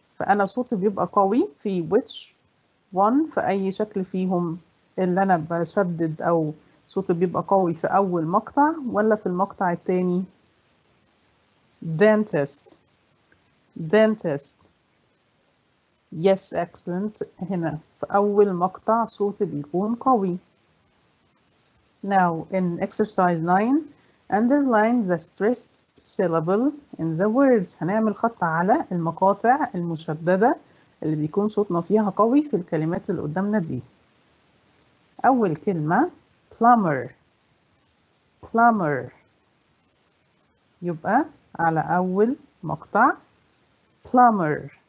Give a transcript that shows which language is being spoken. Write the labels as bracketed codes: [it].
[ar] فانا صوتي بيبقى قوي في [en] which one، [ar] في اي شكل فيهم اللي انا بشدد او صوتي بيبقى قوي في أول مقطع ولا في المقطع الثاني؟ dentist dentist. [en] Yes, excellent. [ar] هنا في أول مقطع صوتي بيكون قوي. [en] Now in exercise 9, underline the stressed syllable in the words. [ar] هنعمل خط على المقاطع المشددة اللي بيكون صوتنا فيها قوي في الكلمات اللي قدامنا دي. أول كلمة plumber. Plumber. يبقى على أول مقطع plumber.